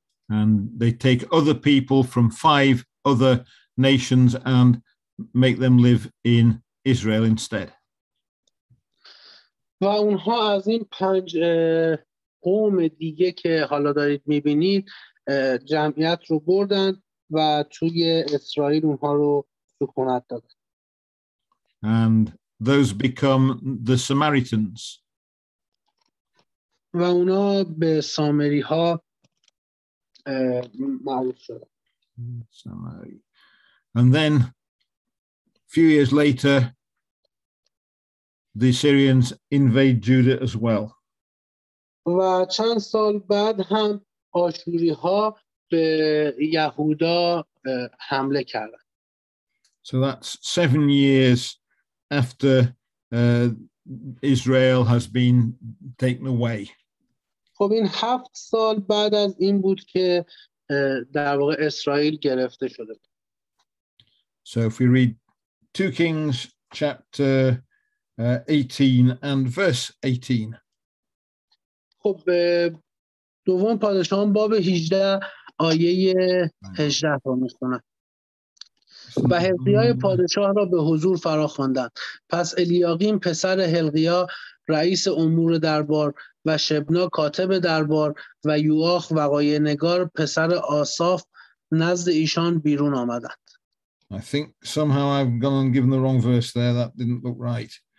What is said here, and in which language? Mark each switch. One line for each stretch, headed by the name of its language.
English: And they take other people from 5 other nations and make them live in Israel instead.
Persian: و اونها از این 5 قوم دیگه که حالا دارید میبینید جمعیت رو بردن و توی اسرائیل اونها رو سکونت دادن.
English: And those become the Samaritans.
Persian: و اونا به سامری ها معروف شدن.
English: Samaritans. And then a few years later, the Syrians invade Judah as well.
Persian: و چند سال بعد هم آشوری ها به یهودا حمله کردند.
English: So that's 7 years after Israel has been taken away.
Persian: خب این 7 سال بعد از این بود که در واقع اسرائیل گرفته شده.
English: So if we read 2 Kings chapter 18 and verse 18.
Persian: خب دوم پادشاهان باب 18 آیه 18 رو میخونم. و حزقیای پادشاه را به حضور فرا خواندند. پس الیاقیم پسر حلقیا رئیس امور دربار و شبنا کاتب دربار و یوآخ وقایع نگار پسر آساف نزد ایشان بیرون آمدند.
English: I think somehow I've gone and given the wrong verse there. That didn't look right.